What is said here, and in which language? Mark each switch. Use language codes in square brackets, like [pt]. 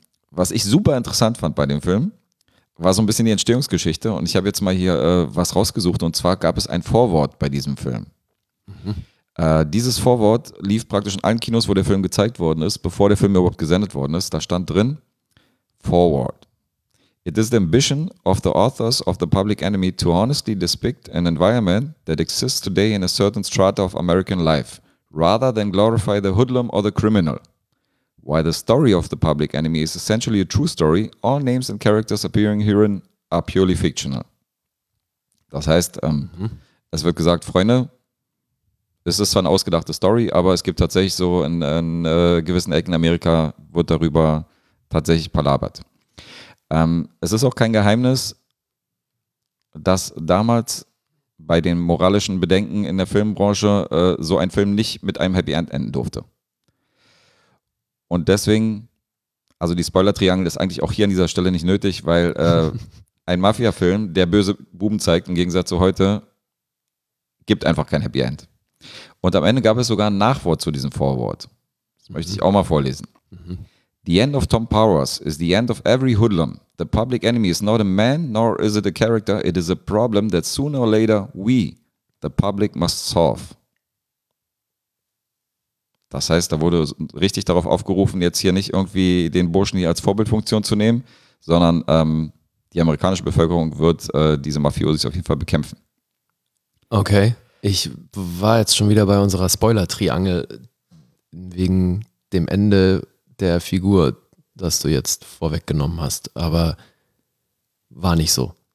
[de] Was ich super interessant fand bei dem Film, war so ein bisschen die Entstehungsgeschichte und ich habe jetzt mal hier was rausgesucht und zwar gab es ein Vorwort bei diesem Film. Mhm. Dieses Vorwort lief praktisch in allen Kinos, wo der Film gezeigt worden ist, bevor der Film überhaupt gesendet worden ist. Da stand drin, Vorwort. [en] It is the ambition of the authors of the Public Enemy to honestly depict an environment that exists today in a certain strata of American life, rather than glorify the hoodlum or the criminal. While the story of the Public Enemy is essentially a true story, all names and characters appearing herein are purely fictional. [de] Das heißt, es wird gesagt, Freunde, es ist zwar eine ausgedachte Story, aber es gibt tatsächlich so in gewissen Ecken Amerika wird darüber tatsächlich palabert. Es ist auch kein Geheimnis, dass damals bei den moralischen Bedenken in der Filmbranche so ein Film nicht mit einem Happy End enden durfte. Und deswegen, also die Spoiler-Triangel ist eigentlich auch hier an dieser Stelle nicht nötig, weil ein Mafia-Film, der böse Buben zeigt, im Gegensatz zu heute, gibt einfach kein Happy End. Und am Ende gab es sogar ein Nachwort zu diesem Vorwort. Das möchte ich auch mal vorlesen. [en] The end of Tom Powers is the end of every hoodlum. The public enemy is not a man, nor is it a character. It is a problem that sooner or later we, the public, must solve. [de] Das heißt, da wurde richtig darauf aufgerufen, jetzt hier nicht irgendwie den Burschen hier als Vorbildfunktion zu nehmen, sondern die amerikanische Bevölkerung wird diese Mafiosis auf jeden Fall bekämpfen. Okay. Ich war jetzt schon wieder bei unserer Spoiler-Triangel wegen dem Ende der Figur, das du jetzt vorweggenommen hast, aber war nicht so.